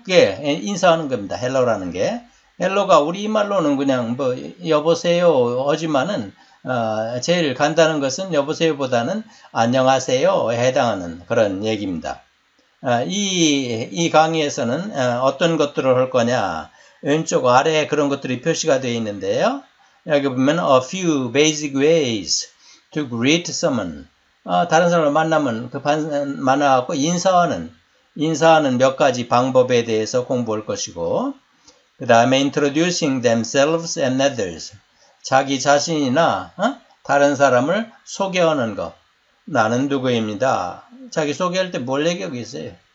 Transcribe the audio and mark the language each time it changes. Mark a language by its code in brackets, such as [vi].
[ko] 그게 인사하는 겁니다. 헬로라는 게. 헬로가 우리말로는 그냥 뭐, 여보세요, 하지만은, 제일 간단한 것은 여보세요보다는 안녕하세요에 해당하는 그런 얘기입니다. 이 강의에서는 어떤 것들을 할 거냐. 왼쪽 아래에 그런 것들이 표시가 되어 있는데요. 여기 보면 [en] A few basic ways to greet someone. [ko] 다른 사람을 만나면 만나갖고 인사하는 몇 가지 방법에 대해서 공부할 것이고, 그 다음에 [en] introducing themselves and others. [ko] 자기 자신이나 다른 사람을 소개하는 것. 나는 누구입니다. 자기 소개할 때뭘 얘기하겠어요?